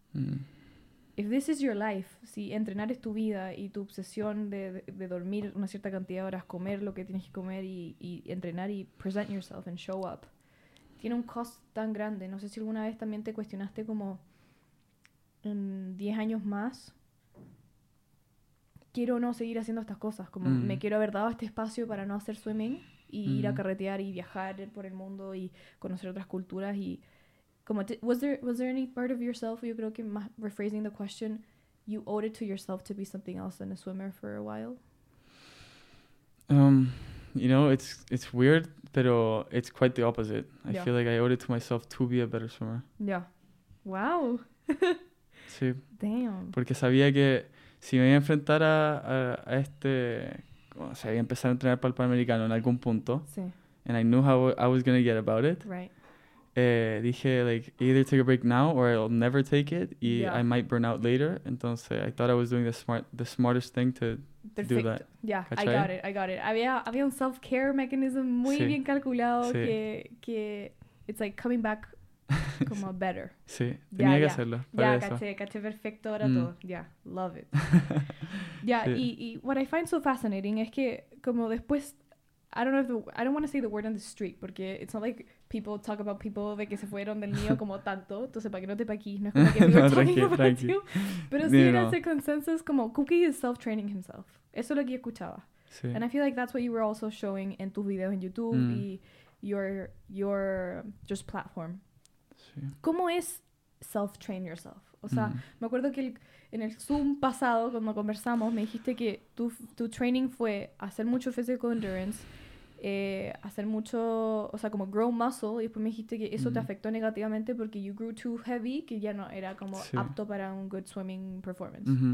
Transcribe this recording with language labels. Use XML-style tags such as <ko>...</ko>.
<en>If this is your life,</en> <es>si entrenar es tu vida y tu obsesión de dormir una cierta cantidad de horas, comer lo que tienes que comer y entrenar y</es> <en>present yourself and show up,</en> <es>tiene un cost tan grande. No sé si alguna vez también te cuestionaste como en 10 años más, quiero o no seguir haciendo estas cosas, como me quiero haber dado este espacio para no hacer swimming y ir a carretear y viajar por el mundo y conocer otras culturas.</es> <en>Y como, was there any part of yourself,</en> <es>yo creo que más</es> <en>rephrasing the question, you owed it to yourself to be something else than a swimmer for a while? You know, it's weird, pero it's quite the opposite. I feel like I owed it to myself to be a better swimmer.</en> <es>Sí.</es> <en>Damn.</en> <es>Porque sabía que si me iba a enfrentar a este... O sea, iba a empezar a entrenar para el Panamericano en algún punto.</es> <en>And I knew how I was going to get about it. Dije, like, either take a break now or I'll never take it. Y I might burn out later. Entonces, I thought I was doing the smartest thing to do that. I got it.</en> <es>Había un</es> <en>self-care mechanism</en> <es>muy bien calculado que...</es> <en>It's like coming back</en> <es>como</es> <en>better.</en> <es>Sí, tenía que hacerlo. Caché perfecto ahora todo.</es> <en>Love it.</en> <es>Y</es> <en>what I find so fascinating</en> <es>es que como después,</es> <en>I don't want to say the word on the street,</en> <es>porque</es> <en>it's not like people talk about people</en> <es>de que se fueron del nido como tanto, entonces para que no te paquís, no es como que pero sí era ese consensus como</es> <en>Cookie is self-training himself.</en> <es>Eso es lo que yo escuchaba.</es> <en>And I feel like that's what you were also showing</en> <es>en tus videos en YouTube</es> <en>y your just platform.</en> <es>¿Cómo es</es> <en>self-train yourself?</en> <es>O sea, me acuerdo que en el Zoom pasado, cuando conversamos, me dijiste que tu training fue hacer mucho</es> <en>physical endurance,</en> <es>hacer mucho, o sea, como</es> <en>grow muscle,</en> <es>y después me dijiste que eso te afectó negativamente porque</es> <en>you grew too heavy,</en> <es>que ya no era como apto para un</es> <en>good swimming performance.</en>